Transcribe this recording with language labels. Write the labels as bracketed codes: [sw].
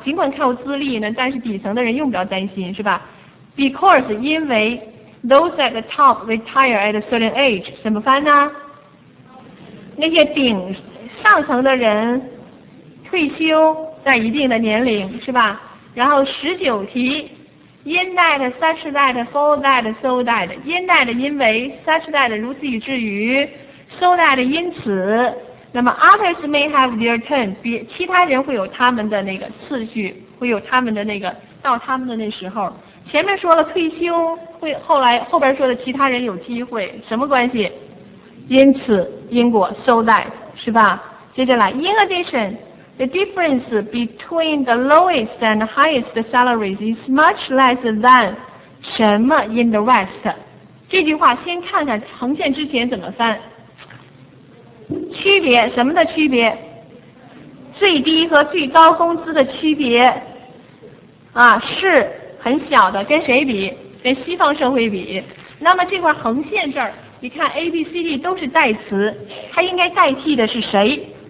[zh] 尽管靠资历呢，但是底层的人用不着担心，是吧？ [en] Because [zh] 因为 [en] those at the top retire at a certain age， [zh] 怎么翻呢？那些顶上层的人退休在一定的年龄，是吧？然后19题， [en] in that, such that, for that, so that。 [zh] in that 因为， such that 如此以至于， so that 因此。那么 [en] others may have their turn， [zh] 其他人会有他们的那个次序，会有他们的那个到他们的那时候。前面说了退休会，后来后边说的其他人有机会，什么关系？因此，因果， so that， 是吧？ [en] 接着来， in addition，The difference between the lowest and highest salaries is much less than [zh] 什么 [en] in the West。 [zh] 这句话先看看呈现之前怎么翻。区别，什么的区别？最低和最高工资的区别啊，是很小的，跟谁比？跟西方社会比。那么这块横线这儿，你看 ABCD 都是代词，它应该代替的是谁？